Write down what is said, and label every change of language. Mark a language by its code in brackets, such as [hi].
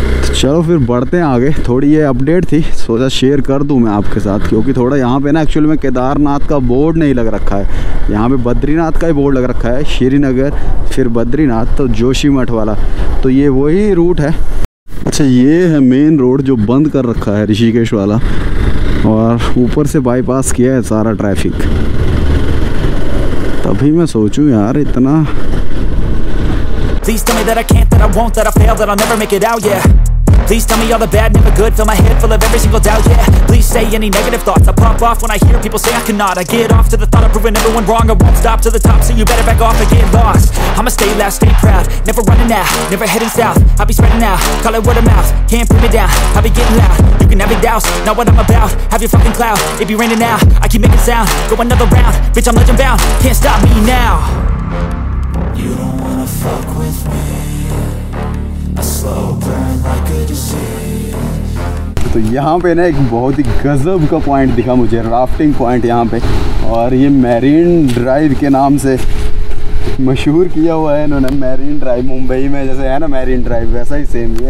[hi] तो चलो फिर बढ़ते हैं आगे, थोड़ी ये अपडेट थी सोचा शेयर कर दूँ मैं आपके साथ, क्योंकि थोड़ा यहाँ पे ना एक्चुअली में केदारनाथ का बोर्ड नहीं लग रखा है, यहाँ पे बद्रीनाथ का ही बोर्ड लग रखा है, श्रीनगर फिर बद्रीनाथ तो जोशी मठ वाला, तो ये वही रूट है। अच्छा ये है मेन रोड जो बंद कर रखा है ऋषिकेश वाला, और ऊपर से बाईपास किया है सारा ट्रैफिक, तो अभी मैं सोचूं यार इतना. [en] Please tell me that I can't, that I won't, that I fail, that I'll never make it out, yeah. Please tell me all the bad, never good, fill my head full of every single doubt, yeah. Please say any negative thoughts, I pop off when I hear people say I cannot. I get off to the thought of proving everyone wrong. I won't stop to the top, so you better back off or get lost. I'ma stay loud, stay proud, never running out, never heading south. I'll be spreading out, call it word of mouth, can't put me down. I'll be getting loud, you can have it doused, not what I'm about. Have your fucking clout, it be raining now, I keep making sound. Go another round, bitch I'm legend bound, can't stop me now. You don't wanna fuck with me. [hi] तो यहाँ पे ना एक बहुत ही गजब का point दिखा मुझे, राफ्टिंग पॉइंट यहाँ पे. और ये मैरीन ड्राइव के नाम से मशहूर किया हुआ है इन्होंने, मैरीन ड्राइव मुंबई में जैसे है ना मैरीन ड्राइव, वैसा ही सेम ये.